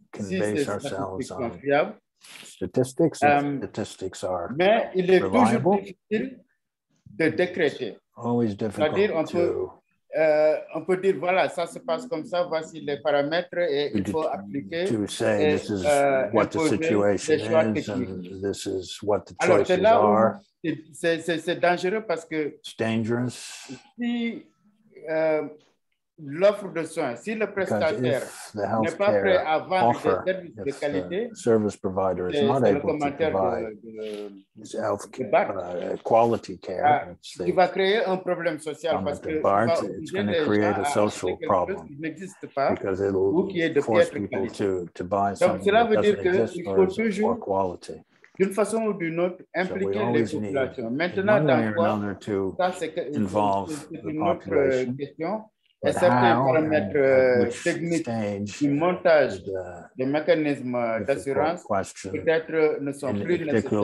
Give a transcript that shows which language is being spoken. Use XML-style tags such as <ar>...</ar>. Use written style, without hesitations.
<fr>si ces statistiques sont fiables.</fr> <en>Statistics, statistics are</en> <fr>mais il est</fr> <en>reliable,</en> <fr>toujours difficile de décréter. C'est-à-dire, on peut dire, voilà, ça se passe comme ça, voici les paramètres et il faut appliquer.</fr> <en>To say</en> <fr>et,</fr> <en>this is what the situation is and this is what the choices</en> <fr>alors, c'est là où</fr> <en>are.</en> <fr>C'est dangereux parce que</fr> <en>it's dangerous.</en> <fr>Si l'offre de soins, si le prestataire n'est pas prêt à vendre des services de qualité,</fr> <en>the service provider is not able to provide quality care,</en> <fr>il va créer un problème social parce que</fr> <en>Bart, it's going to create a social problem because it will force people to buy something that doesn't exist for poor quality.</en> <fr>D'une façon ou d'une autre, impliquer les populations. Maintenant, dans quoi, ça c'est une autre question. Et certains paramètres techniques du montage des mécanismes d'assurance peut-être ne sont plus nécessaires</fr>